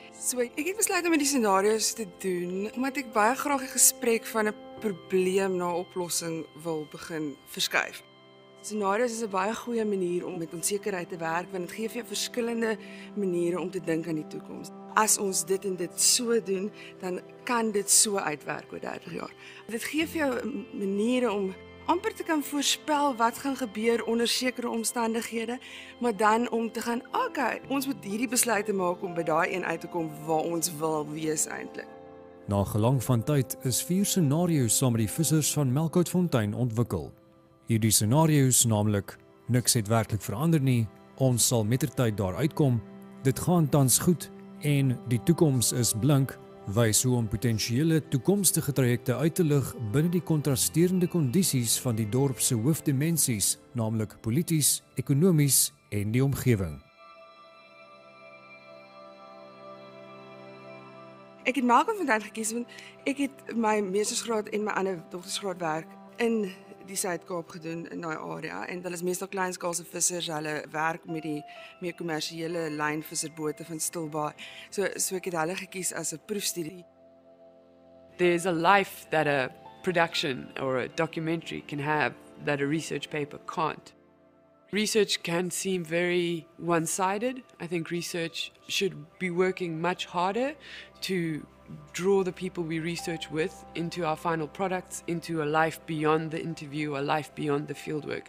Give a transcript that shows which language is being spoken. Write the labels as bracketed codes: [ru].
[af] So ek het besluit om met die scenario's te doen omdat ek baie graag die gesprek van 'n probleem na 'n oplossing wil begin verskuif. Scenario's is 'n baie goeie manier om met onsekerheid te werk want dit gee vir jou verskillende maniere om te dink aan die toekoms. As ons dit en dit so doen, dan kan dit so uitwerk oor 30 jaar. Dit gee vir jou maniere om amper te kan voorspel wat gaan gebeur onder sekere omstandighede, maar dan om te gaan, okay, ons moet hierdie besluite maak om by daai een uit te kom waar ons wil wees eintlik. Na gelang van tyd is vier scenario's saam met die vissers van Melkoudfontein ontwikkel. Hierdie scenario's naamlik, niks het werklik verander nie, ons sal mettertyd daar uitkom, dit gaan tans goed en die toekoms is blink, wys hoe om potensiële toekomstige trajekte uit te lig binnen die contrasterende kondisies van die dorpse hoofdimensies, namelijk polities, ekonomies en die omgeving. Ek het Melkoudfontein gekies, want ek het my meestersgraad en my ander doktersgraad werk in die Suid-Kaap gedoen in die area, en hulle is meestal kleinskaalse vissers, hulle werk met die meer commerciële lynvisserbote van Stilbaai. So ek het hulle gekies as 'n proefstudie. [en] There's a life that a production or a documentary can have that a research paper can't. Research can seem very one-sided. I think research should be working much harder to draw the people we research with into our final products, into a life beyond the interview, a life beyond the fieldwork.